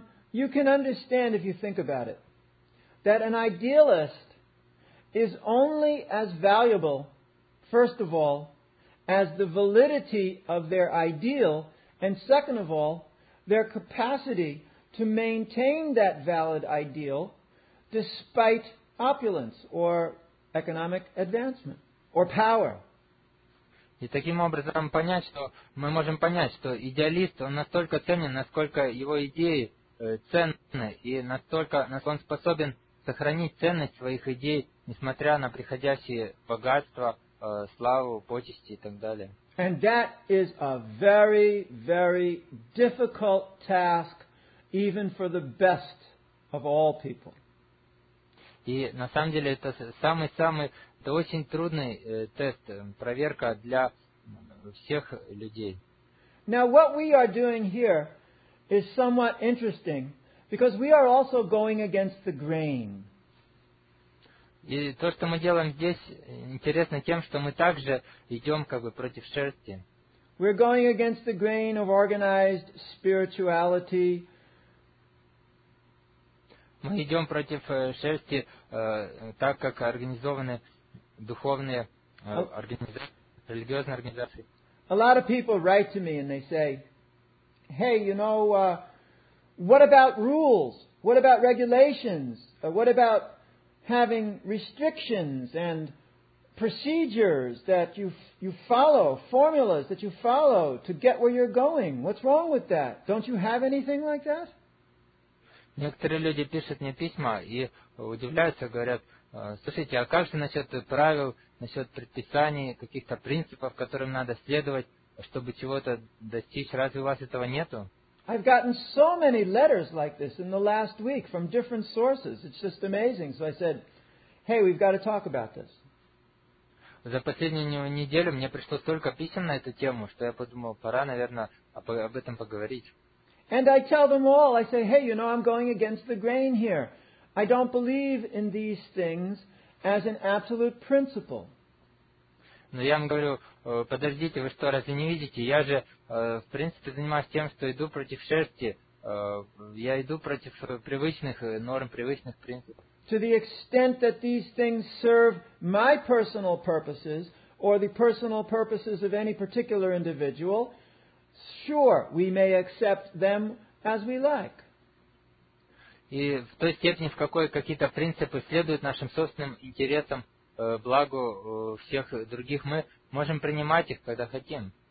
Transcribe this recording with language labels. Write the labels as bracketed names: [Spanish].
[English] You can understand, if you think about it, that an idealist is only as valuable, first of all, as the validity of their ideal, and second of all, their capacity to maintain that valid ideal despite opulence or economic advancement or power. [Russian] И таким образом понять, что мы можем понять, что идеалист, он настолько ценен, насколько его идеи ценны, и насколько он способен сохранить ценность своих идей, несмотря на приходящие богатства, славу, почести и так далее. [English] And that is a very, very difficult task, even for the best of all people. [Russian] И на самом деле это это очень трудный тест, проверка для всех людей. [English] Now what we are doing here is somewhat interesting, because we are also going against the grain. [Russian] И то, что мы делаем здесь, интересно тем, что мы также идем против шерсти. [English] We're going against the grain of organized spirituality. [Russian] Мы идем против шерсти, так как организованы духовные организации, религиозные организации. [English] A lot of people write to me and they say, "Hey, you know, what about rules? What about regulations? What about having restrictions and procedures that you follow, formulas that you follow to get where you're going? What's wrong with that? Don't you have anything like that?" [Russian] Некоторые люди пишут мне письма и удивляются, говорят: слушайте, а как же насчет правил, насчет предписаний, каких-то принципов, которым надо следовать, чтобы чего-то достичь? Разве у вас этого нету? [English] I've gotten so many letters like this in the last week from different sources. It's just amazing. So I said, "Hey, we've got to talk about this." [Russian] За последнюю неделю мне пришло столько писем на эту тему, что я подумал, пора, наверное, об этом поговорить. [English] And I tell them all. I say, "Hey, you know, I'm going against the grain here. I don't believe in these things as an absolute principle." [Russian] Но я вам говорю: подождите, вы что, разве не видите? Я же, в принципе, занимаюсь тем, что иду против шерсти. Я иду против привычных норм, привычных принципов. [English] To the extent that these things serve my personal purposes or the personal purposes of any particular individual, sure, we may accept them as we like. [Russian] И в той степени, в какой какие-то принципы следуют нашим собственным интересам, благу всех других, мы можем принимать их, когда хотим.